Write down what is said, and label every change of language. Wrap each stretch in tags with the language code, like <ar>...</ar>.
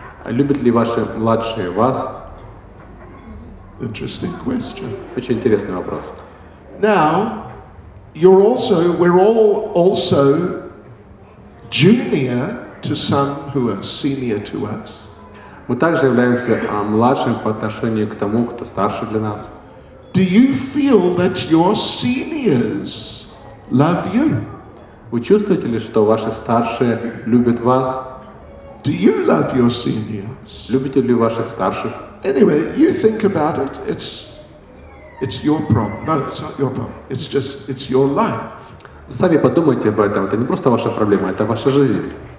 <ru>Любят ли ваши младшие вас?</ru> <en>Interesting question.</en> <ru>Очень интересный вопрос.</ru> <en>Now, we're all also junior to some who are senior to us.</en> <ru>Мы также являемся младшим по отношению к тому, кто старше для нас.</ru> <en>Do you feel that your seniors love you?</en> <ru>Вы чувствуете ли, что ваши старшие любят вас?</ru> <en>Do you love your seniors?</en> <ru>Любите ли ваших старших?</ru> <en>Anyway, you think about it. It's your problem. No, it's not your problem. It's just it's your life.</en> <ru>Вы сами подумайте об этом. Это не просто ваша проблема, это ваша жизнь.</ru>